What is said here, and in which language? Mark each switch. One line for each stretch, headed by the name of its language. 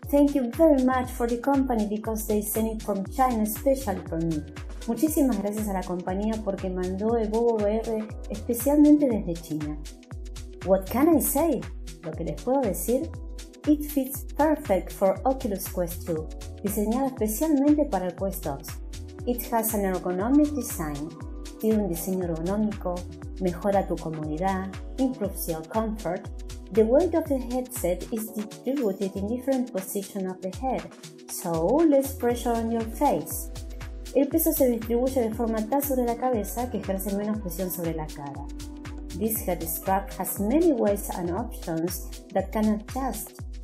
English: Thank you very much for the company because they sent it from China especially for me.
Spanish: Muchísimas gracias a la compañía porque mandó el BOBOVR especialmente desde China.
English: What can I say?
Spanish: Lo que les puedo decir.
English: It fits perfect for Oculus Quest 2,
Spanish: diseñado especialmente para el Quest 2.
English: It has an ergonomic design.
Spanish: Tiene un diseño ergonómico, mejora tu comodidad,
English: improves your comfort. The weight of the headset is distributed in different positions of the head, so less pressure on your face.
Spanish: El peso se distribuye de forma tal sobre la cabeza que ejerce menos presión sobre la cara.
English: This head strap has many ways and options that can adjust.